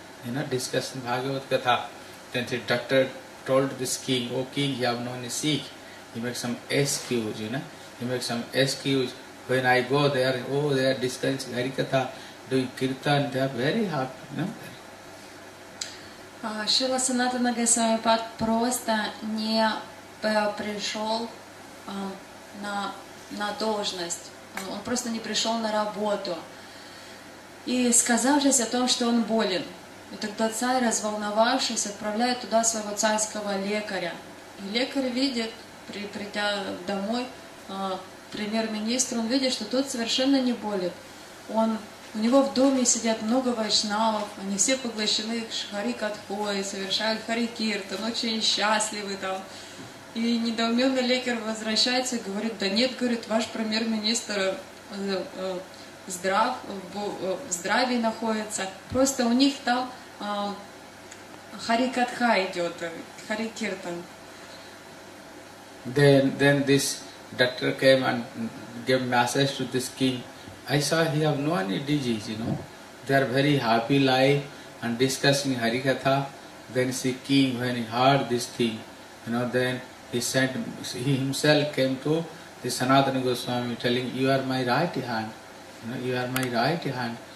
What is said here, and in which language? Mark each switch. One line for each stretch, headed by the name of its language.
English: You know, discussing Bhagavad Gatha. Then the doctor told this king, oh king, you have known a Sikh. He makes some excuse, you know. He makes some excuse. When I go there, oh, they are discussing Hari Katha, doing Kirtan, they are very happy, you know.
Russian: Шрила Санатана Госвами Пад просто не пришел на должность. Он просто не пришел на работу. И сказавшись о том, что он болен. И тогда царь, разволновавшись, отправляет туда своего царского лекаря. И лекарь видит, придя домой, премьер-министр, он видит, что тот совершенно не болен. У него в доме сидят много вайшнавов, они все поглощены хари-катхой, совершают хари-киртан, очень счастливы там. И недоуменно лекарь возвращается и говорит, да нет, говорит, ваш премьер-министр в здравии находится. Просто у них там хари-катха идет, хари-киртан.
English: Then this doctor came and gave message to this king. I saw he have no any disease, you know. They are very happy life and discussing Harikatha. Then see king, when he heard this thing, you know, then he himself came to the Sanatana Goswami telling, you are my right hand, you know, you are my right hand.